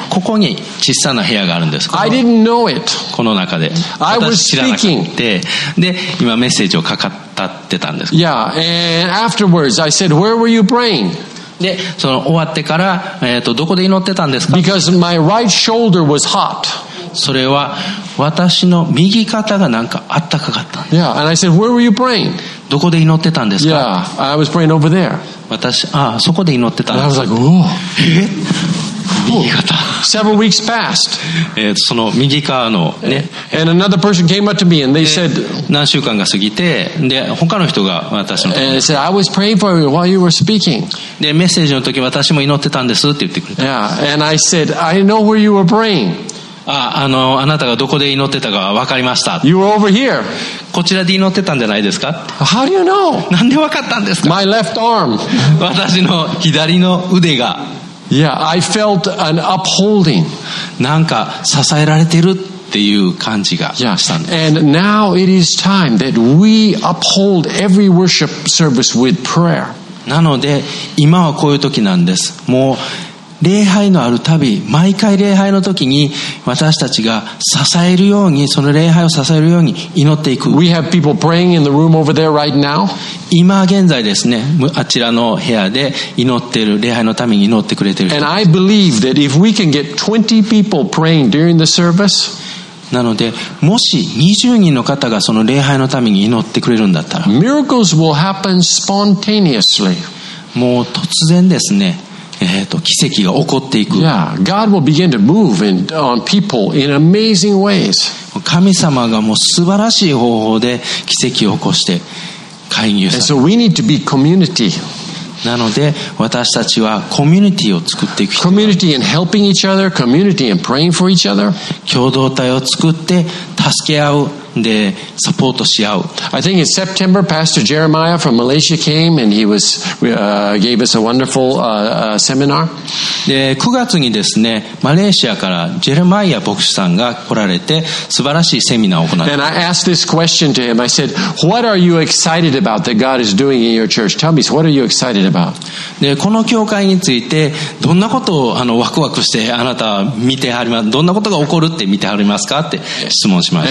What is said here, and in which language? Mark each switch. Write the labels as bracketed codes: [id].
[ja] ここに小さな部屋があるんです。 [en] I didn't know it. [ja] この中で。 [en] I was speaking. [ja] で、今メッセージをかかってたんです。 [en] Yeah, and afterwards I said, where were you praying? [ja] で、その終わってから、どこで祈ってたんですか? [en] Because my right shoulder was hot. [ja] それは私の右肩がなんかあったかかったんです。 [en] Yeah, and I said, where were you praying? [ja] どこで祈ってたんですか? [en] Yeah, I was praying over there. [ja] 私、そこで祈ってたんです。 [en] And I was like, [ja] whoa. 右肩。 [en] Several weeks passed. [ja] その右肩のね。 [en] And another person came up to me and they said, [ja] 何週間が過ぎて、で、他の人が私のところに。 [en] And they said, I was praying for you while you were speaking. [ja] で、メッセージの時私も祈ってたんですって言ってくれた。 [en] Yeah, and I said, I know where you were praying. [ja] あなたがどこで祈ってたかわかりました。 [en] You were over here. [ja] こちらで祈ってたんじゃないですか。 [en] How do you know? [ja] なんでわかったんですか。 [en] My left arm. [ja] 私の左の腕が。 [en] Yeah, I felt an upholding. [ja] なんか支えられてるっていう感じがしたんです。 [en] Yeah. And now it is time that we uphold every worship service with prayer. [ja] なので今はこういう時なんです。もう礼拝のあるたび、毎回礼拝の時に私たちが支えるように、その礼拝を支えるように祈っていく。 [en] We have people praying in the room over there right now. [ja] 今現在ですね、あちらの部屋で祈っている、礼拝のために祈ってくれている人。 [en] And I believe that if we can get 20 people praying during the service、 [ja] なのでもし20人の方がその礼拝のために祈ってくれるんだったら、 [en] Miracles will happen spontaneously. [ja] もう突然ですね、奇跡が起こっていく。 [en] Yeah, God will begin to move in, on people in amazing ways. [ja] 神様がもう素晴らしい方法で奇跡を起こして介入される。 [en] And so we need to be community. [ja] なので私たちはコミュニティを作っていく。 [en] Community in helping each other, community in praying for each other. [ja] 共同体を作って助け合う、でサポートし合う。 [en] I think in September, Pastor Jeremiah from Malaysia came and he was, gave us a wonderful, seminar. [ja] で9月にですね、マレーシアからジェレマイア牧師さんが来られて素晴らしいセミナーを行った。 [en] And I asked this question to him. I said, what are you excited about that God is doing in your church? Tell me, what are you excited about? [ja] でこの教会についてどんなことをワクワクしてあなた見てはりますか、どんなことが起こるって見てはりますかって質問しました。